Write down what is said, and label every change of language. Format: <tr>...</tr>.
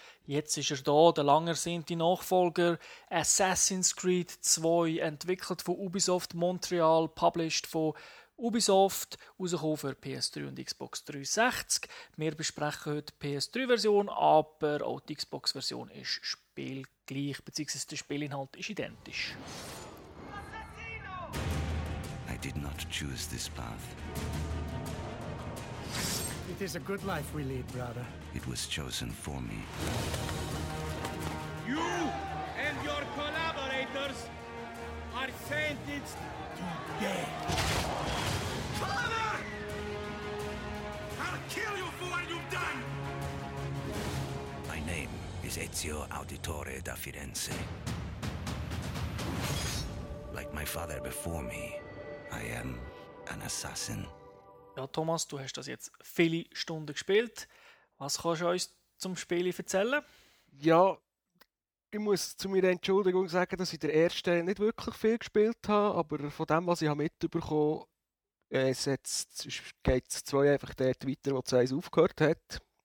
<de>Jetzt ist er da, der langersehnte Nachfolger. Assassin's Creed 2, entwickelt von Ubisoft Montreal, published von Ubisoft, rausgekommen für PS3 und Xbox 360. Wir besprechen heute die PS3-Version, aber auch die Xbox-Version ist spielgleich, beziehungsweise der Spielinhalt ist identisch.</de> <en>I did not choose this path. It is a good life we lead, brother. It was chosen for me. You and your collaborators are sentenced to death. Father! I'll kill you for what you've done! Ezio Auditore da Firenze. Like my father before me, I am an assassin.</en> <de>Ja, Thomas, du hast das jetzt viele Stunden gespielt. Was kannst du uns zum Spiel erzählen? Ja, ich muss zu meiner Entschuldigung sagen, dass ich der erste nicht wirklich viel gespielt habe, aber von dem, was ich mitbekommen habe, geht es 2 einfach dort weiter, wo 2 aufgehört hat.</de>